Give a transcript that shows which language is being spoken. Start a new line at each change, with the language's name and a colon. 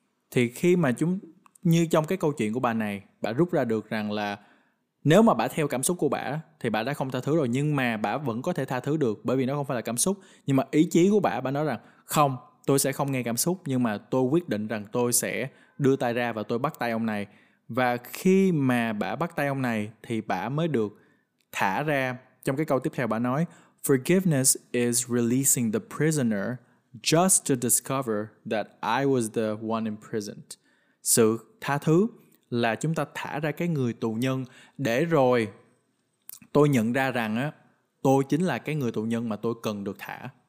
Vietnamese: Thì khi mà chúng như trong cái câu chuyện của bà này, bà rút ra được rằng là nếu mà bà theo cảm xúc của bà thì bà đã không tha thứ rồi, nhưng mà bà vẫn có thể tha thứ được bởi vì nó không phải là cảm xúc. Nhưng mà ý chí của bà nói rằng không, tôi sẽ không nghe cảm xúc, nhưng mà tôi quyết định rằng tôi sẽ đưa tay ra và tôi bắt tay ông này. Và khi mà bà bắt tay ông này thì bà mới được thả ra. Trong cái câu tiếp theo bà nói,
English: forgiveness is releasing the prisoner just to discover that I was the one imprisoned.
Vietnamese: Sự tha thứ là chúng ta thả ra cái người tù nhân để rồi tôi nhận ra rằng á, tôi chính là cái người tù nhân mà tôi cần được thả.